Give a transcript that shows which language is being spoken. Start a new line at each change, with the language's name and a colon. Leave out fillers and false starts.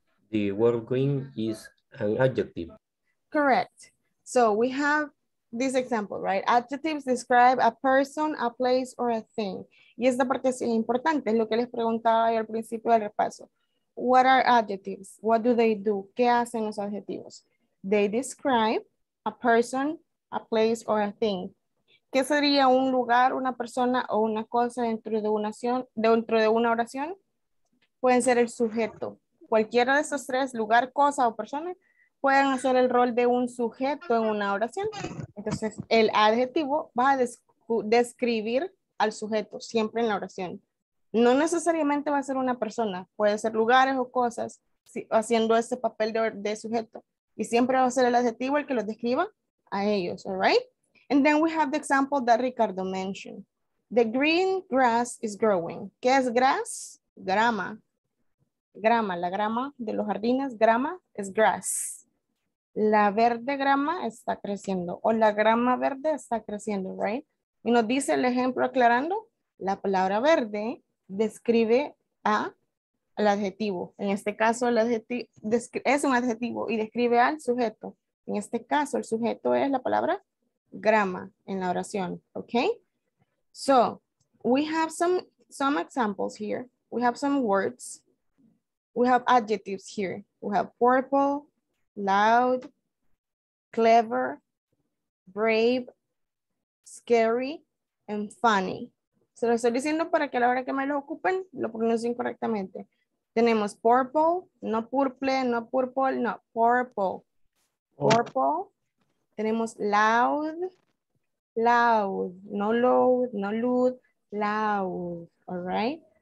English: The word green is an adjective. Correct. So we have this example, right? Adjectives describe a person, a place, or a thing.
Spanish: Y esta parte es importante, es lo que les preguntaba yo al principio del repaso.
English: What are adjectives? What do they do?
Spanish: ¿Qué hacen los adjetivos?
English: They describe a person, a place, or a thing.
Spanish: ¿Qué sería un lugar, una persona o una cosa dentro de una oración? Pueden ser el sujeto, cualquiera de esos tres, lugar, cosa o persona, pueden hacer el rol de un sujeto en una oración. Entonces, el adjetivo va a describir al sujeto siempre en la oración. No necesariamente va a ser una persona, puede ser lugares o cosas, si, haciendo ese papel de sujeto. Y siempre va a ser el adjetivo el que los describa a ellos,
English: all right? And then we have the example that Ricardo mentioned. The green grass is growing.
Spanish: ¿Qué es grass? Grama. Grama, la grama de los jardines, grama, es grass. La verde grama está creciendo, o la grama verde está creciendo, right? Y nos dice el ejemplo aclarando, la palabra verde describe a el adjetivo. En este caso, el adjetivo es un adjetivo y describe al sujeto. En este caso, el sujeto es la palabra grama en la oración, okay?
English: So, we have some examples here. We have some words. We have adjectives here. We have purple, loud, clever, brave, scary, and funny.
Spanish: Se lo estoy diciendo para que a la hora que me lo ocupen, lo pronuncien correctamente. Tenemos purple, no purple, no purple, no, purple. Purple. Tenemos loud, loud, no loud, no loud, loud,
English: all right?